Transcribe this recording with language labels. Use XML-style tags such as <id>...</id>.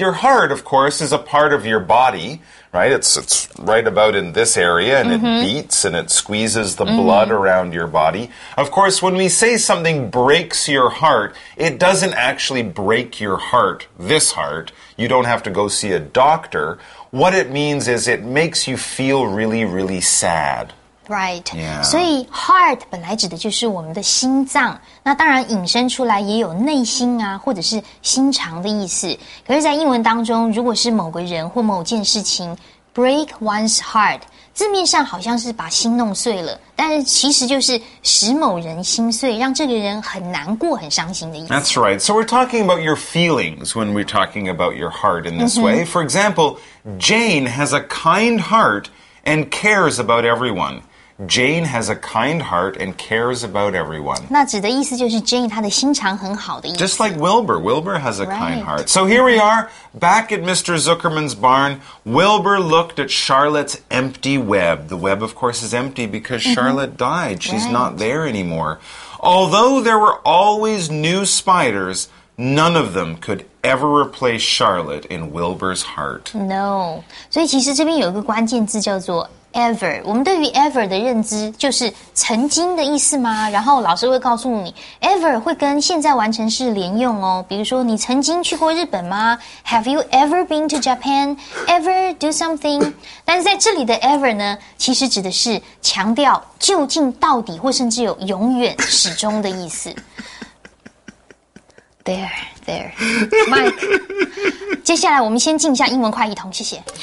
<en>Your heart, of course, is a part of your body, right? It's right about in this area, and it beats, and it squeezes the blood around your body. Of course, when we say something breaks your heart, it doesn't actually break your heart, this heart. You don't have to go see a doctor. What it means is it makes you feel really, really sad. Right. Yeah.</en> <zh>所以 heart 本来指的就是我们的心脏。那当然引申出来也有内心啊或者是心肠的意思。可是在英文当中如果是某个人或某件事情</zh> <en>break one's heart,</en> <zh>字面上好像是把心弄碎了但是其实就是使某人心碎让这个人很难过很伤心的意思。</zh> <en>That's right. So we're talking about your feelings when we're talking about your heart in this way. For example, Jane has a kind heart and cares about everyone. Jane has a kind heart and cares about everyone. 那指的意思就是 Jane 她的心肠很好的意思。 Just like Wilbur. Wilbur has a kind heart. So here we are, back at Mr. Zuckerman's barn. Wilbur looked at Charlotte's empty web. The web, of course, is empty because Charlotte died. She's not there anymore. Although there were always new spiders, none of them could ever replace Charlotte in Wilbur's heart. No.</en> <zh>所以其实这边有一个关键字叫做Ever, 我们对于 ever 的认知就是曾经的意思吗？然后老师会告诉你 ever 会跟现在完成式连用哦。比如说你曾经去过日本吗 ？</zh> <en>Have you ever been to Japan? Ever do something?</en> <zh>但是在这里的 ever 呢，其实指的是强调究竟到底或甚至有永远始终的意思。</zh> <en>There, Mike.</en> <zh>接下来我们先进一下英文快译通，谢谢。</zh>